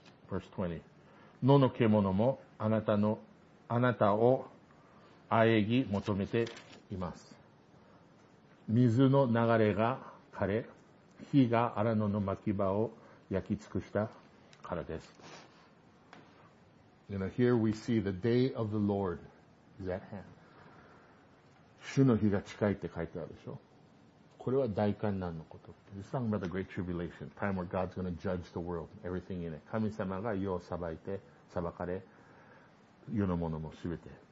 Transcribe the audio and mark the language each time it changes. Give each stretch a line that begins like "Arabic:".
English: Verse 20。
Japanese: 野の獣もあなたを喘ぎ求めています。水の流れが枯れ、火が荒野の巻き場を焼き尽くしたからです。
English: You know, here we see the day of the Lord is at hand.
Japanese: 主の日が近いって書いてあるでしょ。これは大患難のこと。
English: This is talking about the great tribulation, time where God's going to judge the world, everything in it.
Japanese: 神様が世を裁いて、裁かれ、世のものもすべて。